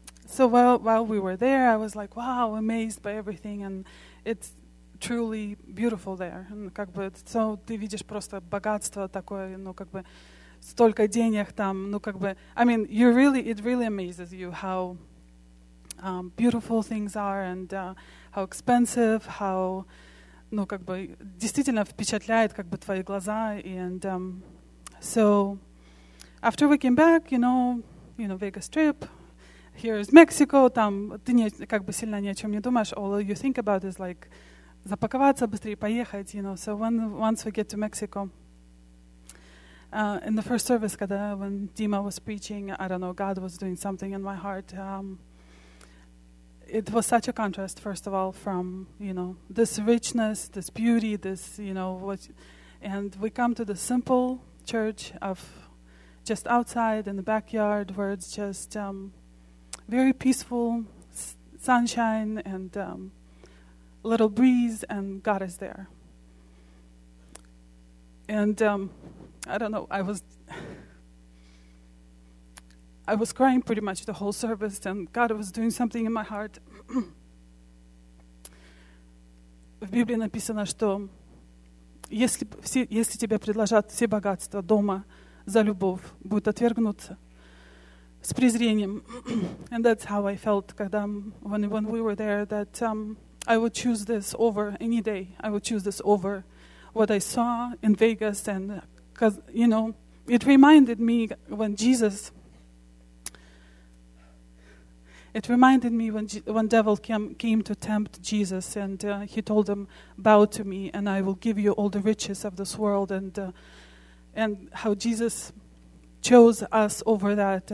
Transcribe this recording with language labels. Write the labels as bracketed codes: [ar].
[en] So while we were there, I was like, wow, amazed by everything, and it's truly beautiful there. [ru] And как бы, so ты видишь просто богатство такое, ну как бы столько денег там, ну как бы. [en] I mean, it really amazes you how beautiful things are, and how expensive, how, [ru] ну как бы, действительно впечатляет как бы твои глаза. [en] And so after we came back, you know, Vegas trip. Here is Mexico. [ru] Там ты не как бы сильно ни о чем не думаешь. [en] All you think about is like [ru] запаковаться быстрее, поехать. [en] You know. So once we get to Mexico, in the first service, when Dima was preaching, I don't know, God was doing something in my heart. It was such a contrast, first of all, from, you know, this richness, this beauty, this, you know, what, and we come to the simple church of just outside in the backyard, where it's just very peaceful, sunshine and little breeze, and God is there. And I don't know, I was crying pretty much the whole service, and God was doing something in my heart. [ru] В Библии написано, что если тебе предложат все богатства дома за любовь, будет отвергнуться. С презрением. [en] And that's how I felt when we were there, that I would choose this over any day. I would choose this over what I saw in Vegas. And because, you know, it reminded me when devil came to tempt Jesus, and he told him, bow to me and I will give you all the riches of this world, and how Jesus chose us over that.